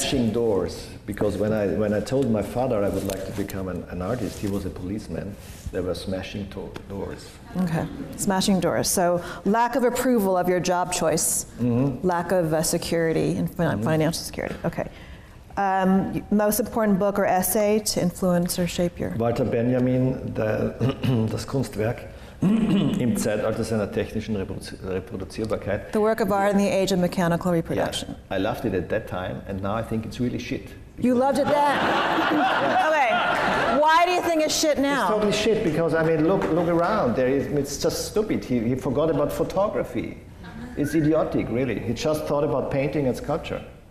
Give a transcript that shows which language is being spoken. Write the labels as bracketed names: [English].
[English] Smashing doors, because when I told my father I would like to become an artist, he was a policeman. They were smashing doors. Okay, smashing doors. So lack of approval of your job choice, mm-hmm. lack of security and financial mm-hmm. security. Okay. Most important book or essay to influence or shape your? [German] Walter Benjamin, das Kunstwerk im Zeitalter seiner technischen Reproduzierbarkeit. [English] The work of art in the age of mechanical reproduction. Yeah, I loved it at that time, and now I think it's really shit. You loved it then. Okay. Why do you think it's shit now? It's totally shit because, I mean, look around. It's just stupid. He forgot about photography. It's idiotic, really. He just thought about painting and sculpture.